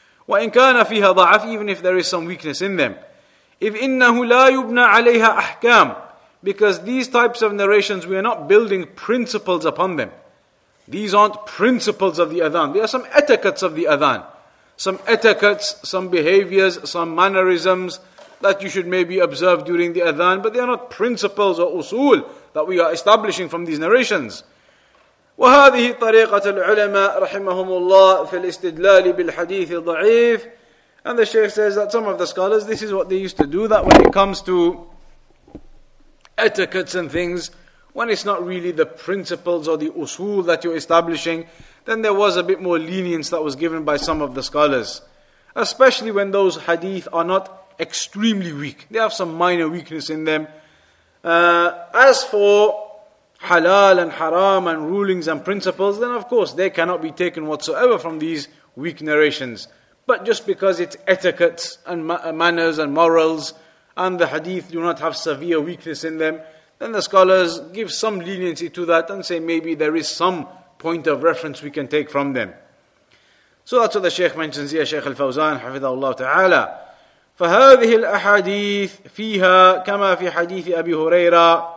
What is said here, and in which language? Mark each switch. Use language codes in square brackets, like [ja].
[ar] وَإِنْ كَانَ فِيهَا ضَعَفٍ, [en] even if there is some weakness in them. [ar] إِذْ إِنَّهُ لَا يُبْنَى عَلَيْهَا أَحْكَامٍ, [en] because these types of narrations, we are not building principles upon them. These aren't principles of the adhan. They are some etiquettes of the adhan. Some etiquettes, some behaviors, some mannerisms that you should maybe observe during the adhan, but they are not principles or usul that we are establishing from these narrations. [ar] وهذه طريقة العلماء رحمهم الله في الاستدلال بالحديث الضعيف. [en] And the Shaykh says that some of the scholars, this is what they used to do, that when it comes to etiquettes and things, when it's not really the principles or the usul that you're establishing, then there was a bit more lenience that was given by some of the scholars. Especially when those hadith are not extremely weak. They have some minor weakness in them. As for halal and haram and rulings and principles, then of course they cannot be taken whatsoever from these weak narrations. But just because it's etiquettes and manners and morals, and the hadith do not have severe weakness in them, then the scholars give some leniency to that and say maybe there is some point of reference we can take from them. So that's what the Shaykh mentions here, Shaykh Al-Fawzan, [ar] حفظه الله تعالى. فهذه الأحاديث فيها كما في حديث أبي هريرة.